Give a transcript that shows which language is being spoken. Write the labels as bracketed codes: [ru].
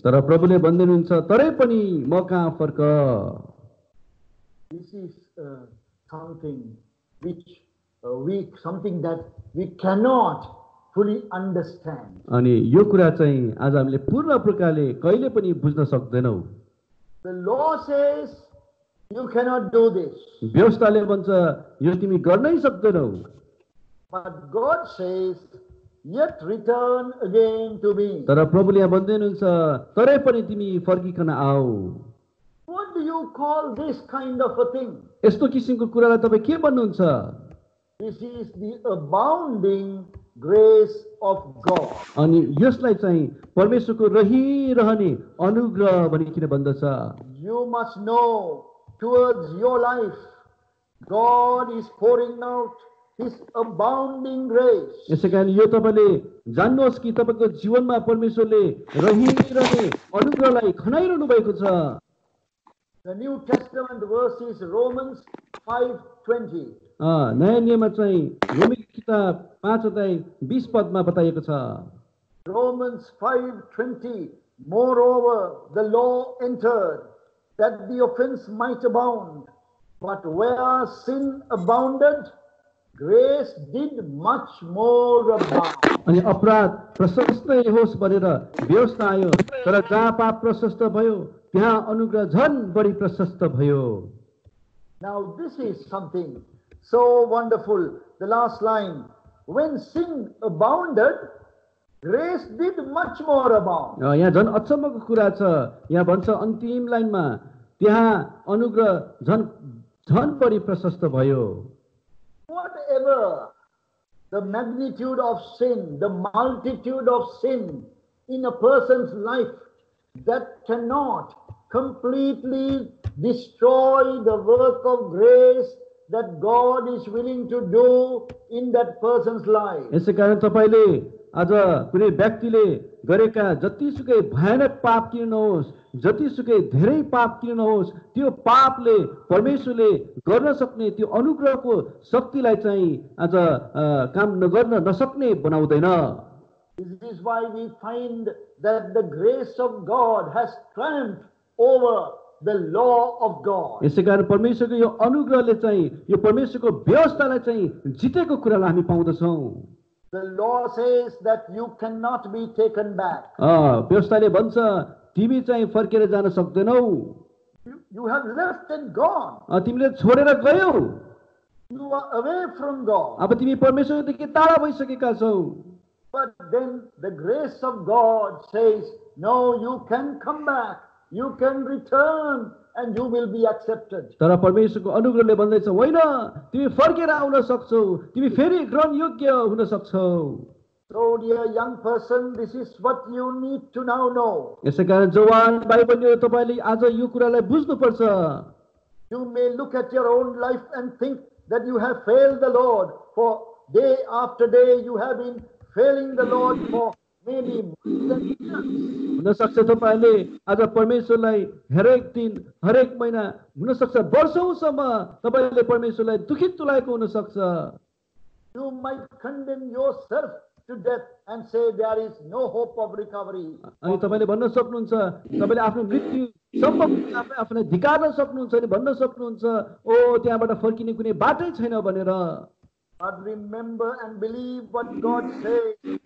[ne] तर प्रभुले भन्दिनुहुन्छ तरै पनि म कहाँ फर्क [en] This is something which something that we cannot fully understand. [ne] अनि यो कुरा चाहिँ आज हामीले पूर्ण प्रकारले कहिले पनि बुझ्न सक्दैनौ [en] The law says you cannot do this. [ne] व्यवस्थाले भन्छ यो तिमी गर्नै सक्दैनौ [en] But God says Yet return again to me. [ne] तर प्रभुले यहाँ भन्दिनुहुन्छ तरै पनि तिमी फर्किकन आऊ. [en] What do you call this kind of a thing? [ne] यस्तो किसिमको कुरालाई तपाईँ के भन्नुहुन्छ? [en] This is the abounding grace of God. [ne] अनि यसलाई चाहिँ परमेश्वरको रहिरहने अनुग्रह भनिकन भन्दछ. [en] You must know towards your life, God is pouring out. His abounding grace. [ne] यसकारण यो तपाईले जान्नुहोस् कि तपाईको जीवनमा परमेश्वरले रहिरहने अनुग्रहलाई खनाइरहनु भएको छ. [en] The New Testament verse is Romans 5:20. [ne] नयाँ नियममा चाहिँ रोमी किताब 5 अध्याय 20 पदमा बताइएको छ. [en] Romans 5:20. Moreover, the law entered that the offense might abound. But where sin abounded, Grace did much more abound. [ne] अनि अपराध प्रशस्त होस् भनेर व्यवस्था आयो तर जहाँ पाप प्रशस्त भयो त्यहाँ अनुग्रह झन बढी प्रशस्त भयो. [en] Now this is something so wonderful. The last line, when sin abounded, grace did much more abound. [ne] यहाँ झन अचम्मको कुरा छ. यहाँ भन्छ अन्तिम लाइनमा त्यहाँ अनुग्रह झन बढी प्रशस्त भयो. [en] Whatever the magnitude of sin, the multitude of sin in a person's life, that cannot completely destroy the work of grace that God is willing to do in that person's life. [ne] Yes, कारण तपाईले आज कुनै व्यक्तिले गरेका जतिसुकै भयानक पाप किर्नुहोस् जतिसुकै धेरै पाप किर्नुहोस् त्यो पापले परमेश्वरले गर्न सक्ने त्यो अनुग्रहको शक्तिलाई चाहिँ आज काम नगर्न नसक्ने बनाउँदैन. [en] This is why we find that the grace of God has triumphed over the law of God. [ne] यसैकारण परमेश्वरको यो अनुग्रहले चाहिँ यो परमेश्वरको व्यवस्थालाई चाहिँ जितेको कुरालाई हामी पाउँदछौँ. [en] The law says that you cannot be taken back. [ne] व्यवस्थाले भन्छ तिमी चाहिँ फर्केर जान सक्दैनौ. [en] You have left and gone. [ne] तिमीले छोडेर गयौ. [en] You are away from God. [ne] अब तिमी परमेश्वरदेखि टाढा भइसकेका छौ. [en] But then the grace of God says, no, you can come back. You can return and you will be accepted. [ne] तर परमेश्वरको अनुग्रहले भन्दैछ होइन तिमी फर्केर आउन सक्छौ तिमी फेरि ग्रहण योग्य हुन सक्छौ. [en] So dear young person, this is what you need to now know. [ne] यसैकारण जवान भाइबहिनीहरू तपाईले आज यो कुरालाई बुझ्नु पर्छ. [en] You may look at your own life and think that you have failed the Lord, for day after day you have been failing the Lord for many months. [ne] हुन सक्छ तपाईँले आज परमेश्वरलाई हरेक दिन हरेक महिना हुनसक्छ वर्षौंसम्म तपाईँले परमेश्वरलाई दुखित तुलाएको हुन सक्छ. [en] You might condemn yourself to death and say there is no hope of recovery. [ne] अनि तपाईँले भन्न सक्नुहुन्छ तपाईँले आफ्नो मृत्युसम्म आफूलाई धिकार्न सक्नुहुन्छ अनि भन्न सक्नुहुन्छ ओ त्यहाँबाट फर्किने कुनै बाटै छैन भनेर. [en] But remember and believe what God says.